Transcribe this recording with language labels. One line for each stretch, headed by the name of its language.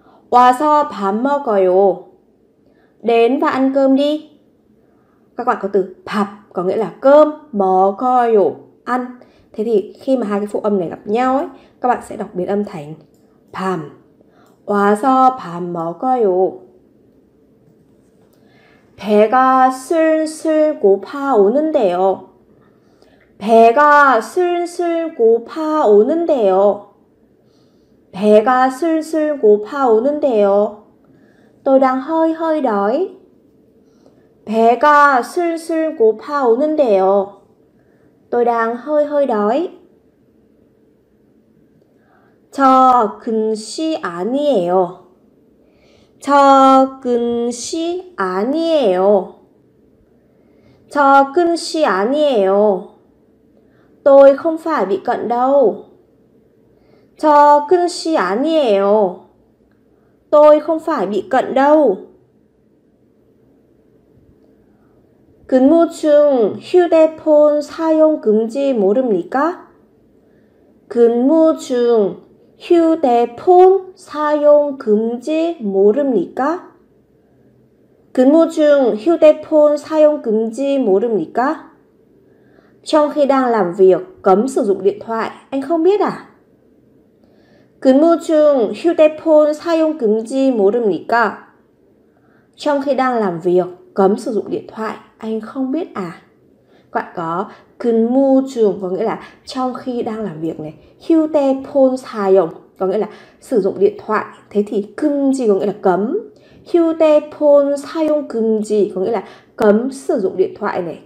Korean: 와서 밥 먹어요.
Vietnamese: Đến và ăn cơm đi. Các bạn có từ 밥 có nghĩa là cơm, 먹어요 ăn. Thế thì khi mà hai cái phụ âm này gặp nhau ấy, các bạn sẽ đọc biến âm thành 밤.
Korean: 와서 밥 먹어요. 배가 슬슬 고파오는데요. 배가 슬슬 고파오는데요. 배가 슬슬 고파오는데요.
Vietnamese: Tôi đang hơi hơi đói.
Korean: 배가 슬슬 고파오는데요.
Vietnamese: Tôi đang hơi hơi đói.
Korean: 저 근시 아니에요. 저 근시 아니에요. 저 끈 씨 아니에요.
Vietnamese: Tôi không phải bị cận đâu.
Korean: 저 끈 씨 아니에요.
Vietnamese: Tôi không phải bị cận đâu.
Korean: 근무 중 휴대폰 사용 금지 모릅니까? 근무 중 휴대폰 사용 금지 모릅니까? 근무 중 휴대폰 사용 금지 모릅니까?
Vietnamese: Trong khi đang làm việc, cấm sử dụng điện thoại, anh không biết à?
Korean: 근무 중 휴대폰 사용 금지 모릅니까?
Vietnamese: Trong khi đang làm việc, cấm sử dụng điện thoại, anh không biết à? Các bạn có 근무 중 có nghĩa là trong khi đang làm việc này, 휴대폰 사용 có nghĩa là sử dụng điện thoại. Thế thì 금지 có nghĩa là cấm. 휴대폰 사용 금지 có nghĩa là cấm sử dụng điện thoại này.